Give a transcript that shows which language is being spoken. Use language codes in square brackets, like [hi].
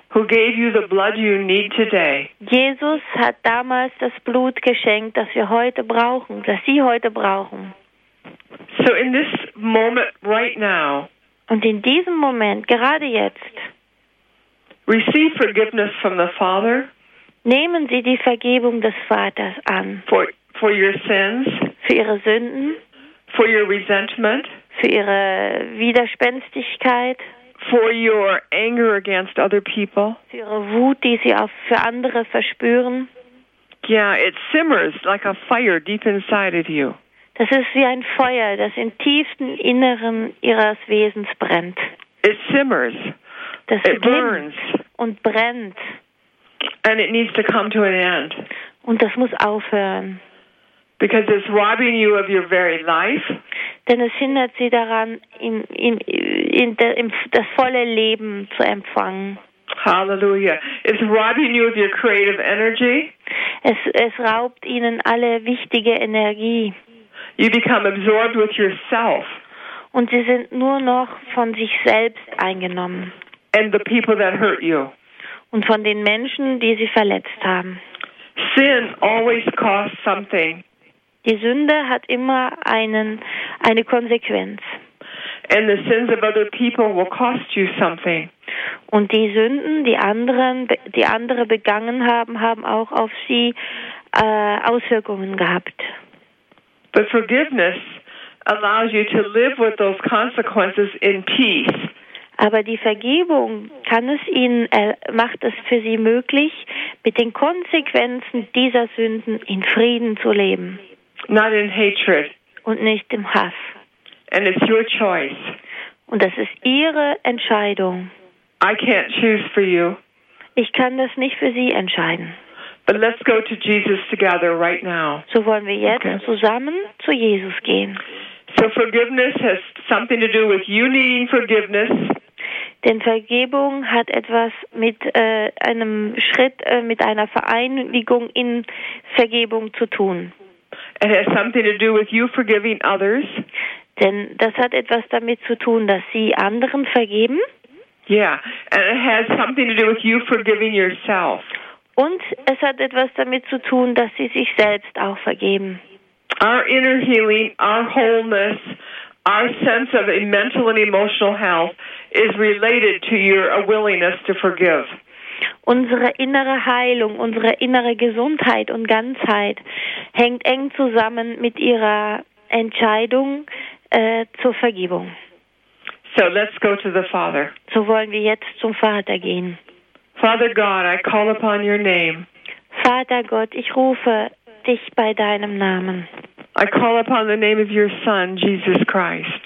[en] Who gave you the blood you need today. [de] Jesus hat damals das Blut geschenkt, das wir heute brauchen, das Sie heute brauchen. [en] So in this moment right now. [de] Und in diesem Moment, gerade jetzt. [en] Receive forgiveness from the Father. [de] Nehmen Sie die Vergebung des Vaters an. [en] For your sins. [de] Für Ihre Sünden. [en] For your resentment. [de] Für Ihre Widerspenstigkeit. [en] For your anger against other people. [de] Für Ihre Wut, die Sie auch für andere verspüren. [en] Yeah, it simmers like a fire deep inside of you. [de] Das ist wie ein Feuer, das im tiefsten Inneren Ihres Wesens brennt. [en] It simmers. [de] Das [en] it burns [de] und brennt. [en] And it needs to come to an end. [de] Und das muss aufhören. [en] Because it's robbing you of your very life. [de] Denn es hindert sie daran, das volle Leben zu empfangen. [en] Hallelujah. It's robbing you of your creative energy. [de] Es raubt ihnen alle wichtige Energie. [en] You become absorbed with yourself. [de] Und sie sind nur noch von sich selbst eingenommen. [en] And the people that hurt you. [de] Und von den Menschen, die sie verletzt haben. [en] Sin always costs something. [de] Die Sünde hat immer eine Konsequenz. [en] And the sins of other people will cost you something. [de] Und die Sünden, die andere begangen haben, haben auch auf sie Auswirkungen gehabt. [en] But forgiveness allows you to live with those consequences in peace. [de] Aber die Vergebung kann es ihnen, macht es für sie möglich, mit den Konsequenzen dieser Sünden in Frieden zu leben. [en] Not in hatred. [de] Und nicht im Hass. [en] And it's your choice. [de] Und das ist ihre Entscheidung. [en] I can't choose for you. [de] Ich kann das nicht für sie entscheiden. [en] But let's go to Jesus together right now. [de] So wollen wir jetzt okay. Zusammen zu Jesus gehen. [en] So forgiveness has something to do with you needing forgiveness. [de] Denn Vergebung hat etwas mit einem Schritt, mit einer Vereinigung in Vergebung zu tun. [en] It has something to do with you forgiving others. [de] Denn das hat etwas damit zu tun, dass Sie anderen vergeben. [en] Yeah, and it has something to do with you forgiving yourself. [de] Und es hat etwas damit zu tun, dass Sie sich selbst auch vergeben. [en] Our inner healing, our wholeness, our sense of a mental and emotional health is related to your willingness to forgive. [de] Unsere innere Heilung, unsere innere Gesundheit und Ganzheit hängt eng zusammen mit Ihrer Entscheidung zur Vergebung. [en] So let's go to the Father. [de] So wollen wir jetzt zum Vater gehen. [en] Father God, I call upon your name. [de] Vater Gott, ich rufe dich bei deinem Namen. [en] I call upon the name of your son, Jesus Christ.